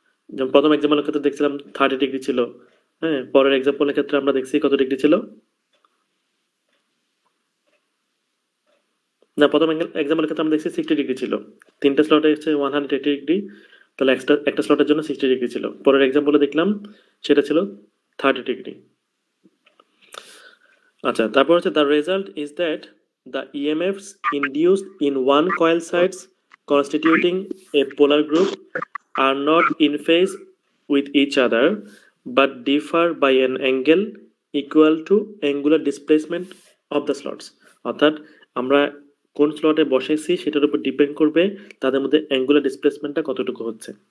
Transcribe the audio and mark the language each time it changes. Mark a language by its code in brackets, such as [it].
[bn] যেমন প্রথম এক্সাম্পলের ক্ষেত্রে দেখছিলাম 30 ডিগ্রি ছিল, হ্যাঁ পরের এক্সাম্পলের ক্ষেত্রে আমরা দেখছি কত ডিগ্রি ছিল, না প্রথম এক্সাম্পলের ক্ষেত্রে আমরা দেখছি 60 ডিগ্রি ছিল, তিনটা স্লটে এসেছে 180 ডিগ্রি, তাহলে একটা একটা স্লটের জন্য 60 ডিগ্রি ছিল, পরের এক্সাম্পলে দেখলাম সেটা ছিল 30 ডিগ্রি। আচ্ছা তারপর হচ্ছে [en] The result is that the EMF induced in one coil sides constituting a polar group are not in phase with each other but differ by an angle equal to angular displacement of the slots. [bn] অর্থাৎ আমরা কোন স্লটে বসেছি সেটার উপর depend করবে তাদের মধ্যে angular ডিসপ্লেসমেন্টটা কতটুকু হচ্ছে।